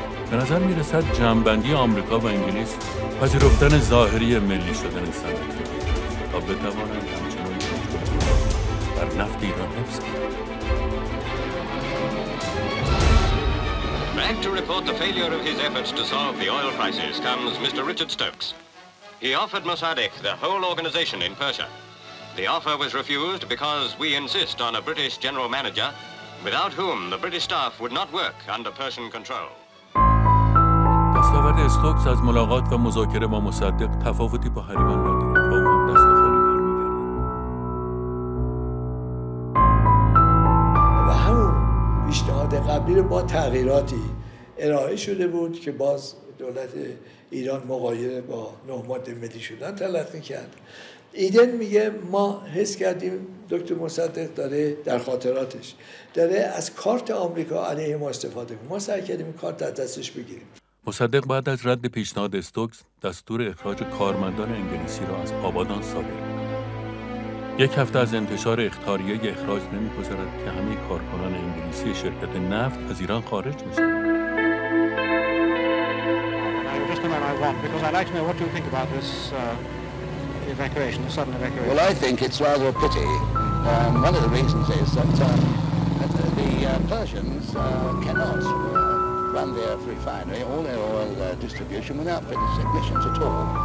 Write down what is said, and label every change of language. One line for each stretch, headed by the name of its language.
Persian: به نظر می رسد جمع‌بندی آمریکا و انگلیس پذیرفتن ظاهری ملی شدن صنعت تا بتوانند همچنان بر نفت ایران حفظ کنند.
English: Back to report the failure of his efforts to solve the oil crisis comes Mr. Richard Stokes. He offered Mossadegh the whole organization in Persia. The offer was refused because we insist on a British general manager without whom the British staff would not work under Persian control.
Persian: دستاورد استوکس از ملاقات و مذاکره با مصدق تفاوتی با هریمن ندارد و او دست خالی برمیگردد. و همون پیشنهاد قبلی با تغییراتی ارائه شده بود که باز دولت ایران مغایره با نه ماده ملی شدن تلقی کرد. ایدن میگه ما حس کردیم دکتر مصدق داره در خاطراتش داره از کارت آمریکا علیه ما استفاده کنه، ما سعی کردیم کارت از دستش بگیریم. مصدق بعد از رد پیشنهاد استوکس دستور اخراج کارمندان انگلیسی را از آبادان صادر کرد. یک هفته از انتشار اخطاریه اخراج نمی‌گذرد که همه کارکنان انگلیسی شرکت نفت از ایران خارج می‌شوند.
English: Just a minute, I want, because I'd like to know what you think about this evacuation, the sudden evacuation. Well, I think it's rather a pity. One of the reasons is that the Persians cannot run their refinery, all their oil distribution, without British emissions at all.